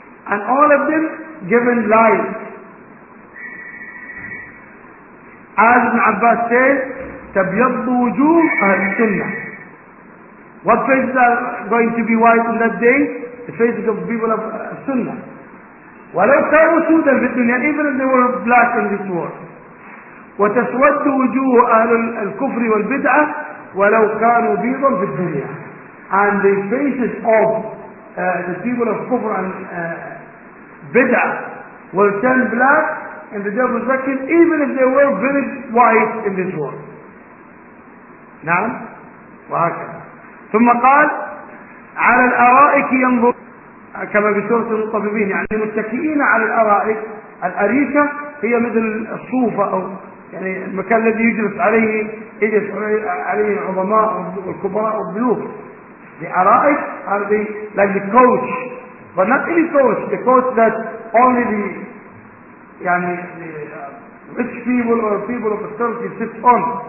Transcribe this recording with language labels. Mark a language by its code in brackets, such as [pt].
[en] And all of them given light. As Ibn Abbas says, [ar] تَبْيَضُّ وُجُوهَ أَهْلِ السُنَّةِ. [en] What faces are going to be white in that day? The faces of people of Sunnah. [ar] وَلَوْ كَانُوا سُودًا فِي الدُّنْيَا, [en] even if they were black in this world. [ar] وَتَسْوَدُّ وُجُوهَ أَهْلُ الْكُفْرِ وَالْبِدْعَةِ وَلَوْ كَانُوا بِيضًا فِي الدُّنْيَا. [en] And the faces of the people of Kufr and Bid'ah will turn black in the devil's reckon, even if they were very white in this world. [ar] نعم وهكذا. ثم قال على الأرائك ينظر كما في سورة المطببين, يعني متكئين على الأرائك. الأريكة هي مثل الصوفة أو يعني المكان الذي يجلس عليه, يجلس عليه العظماء والكبراء والضيوف. [en] The arais are the, like the coach, but not any coach, the coach that only the, yani, the rich people or people of authority sit on.